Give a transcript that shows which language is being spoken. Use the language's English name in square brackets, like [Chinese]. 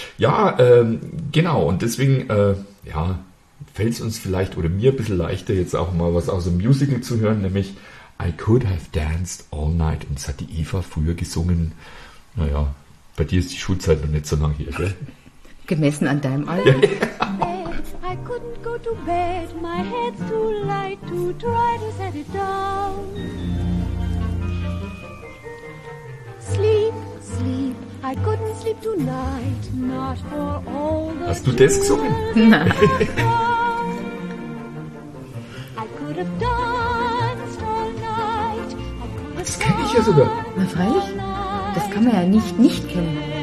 [German] Ja, genau, und deswegen fällt es uns vielleicht oder mir ein bisschen leichter, jetzt auch mal was aus dem Musical zu hören, nämlich I Could Have Danced All Night. Und das hat die Eva früher gesungen, bei dir ist die Schulzeit noch nicht so lang hier, gell? Gemessen an deinem Alter. [English] I couldn't go to bed, my head's too light to try to set it down. Sleep, sleep, I couldn't sleep tonight, not for all the [German] Hast du das gesungen? Nein. [English] I could have danced all night. [German] Das kenne ich ja sogar. Na, freilich. das kann man ja nicht kennen.